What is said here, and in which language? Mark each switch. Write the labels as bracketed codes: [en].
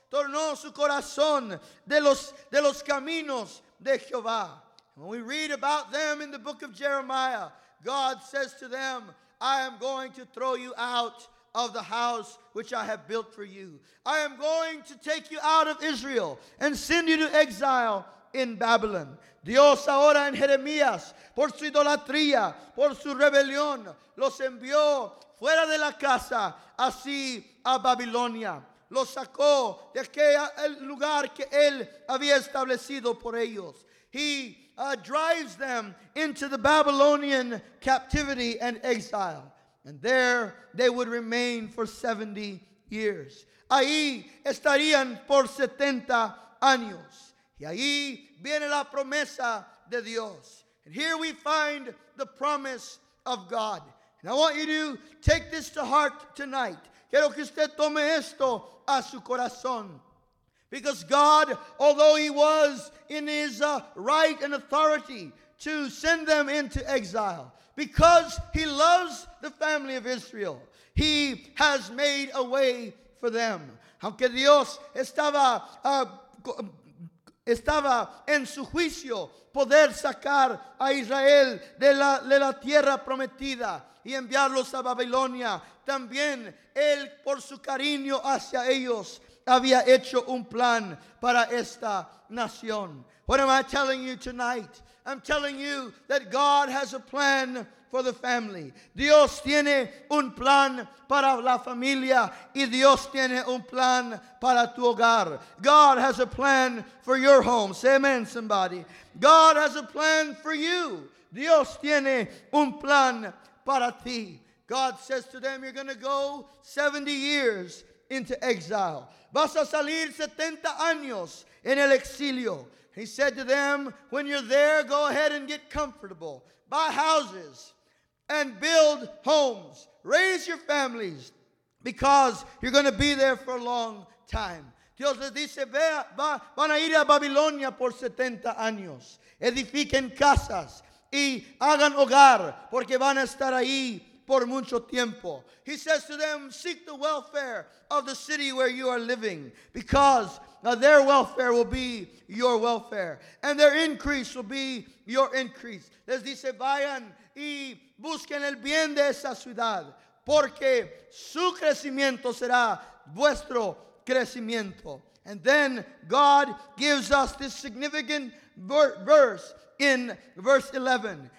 [es] Tornó su corazón de los caminos de Jehová. [en] When we read about them in the book of Jeremiah, God says to them, I am going to throw you out of the house which I have built for you. I am going to take you out of Israel and send you to exile in Babylon. [es] Dios ahora en Jeremías, por su idolatría, por su rebelión, los envió fuera de la casa, así a Babilonia. Lo sacó de aquel lugar que él había establecido por ellos. [en] He drives them into the Babylonian captivity and exile. And there they would remain for 70 years. [es] Ahí estarían por 70 años. Y ahí viene la promesa de Dios. [en] And here we find the promise of God. And I want you to take this to heart tonight. [es] Quiero que usted tome esto a su corazón. [en] Because God, although he was in his right and authority to send them into exile, because he loves the family of Israel, he has made a way for them. [es] Aunque Dios estaba en su juicio poder sacar a Israel de la tierra prometida y enviarlos a Babilonia, también él, por su cariño hacia ellos, había hecho un plan para esta nación. [en] What am I telling you tonight? I'm telling you that God has a plan for the family. [es] Dios tiene un plan para la familia y Dios tiene un plan para tu hogar. [en] God has a plan for your home. Say amen, somebody. God has a plan for you. [es] Dios tiene un plan para ti. [en] God says to them, you're going to go 70 years into exile. [es] Vas a salir 70 años en el exilio. [en] He said to them, when you're there, go ahead and get comfortable. Buy houses and build homes. Raise your families because you're going to be there for a long time. [es] Dios les dice, van a ir a Babilonia por 70 años. Edifiquen casas y hagan hogar porque van a estar ahí por mucho tiempo. [en] He says to them, seek the welfare of the city where you are living, because their welfare will be your welfare, and their increase will be your increase. [es] Les dice, vayan y busquen el bien de esa ciudad, porque su crecimiento será vuestro crecimiento. [en] And then God gives us this significant verse in verse 11.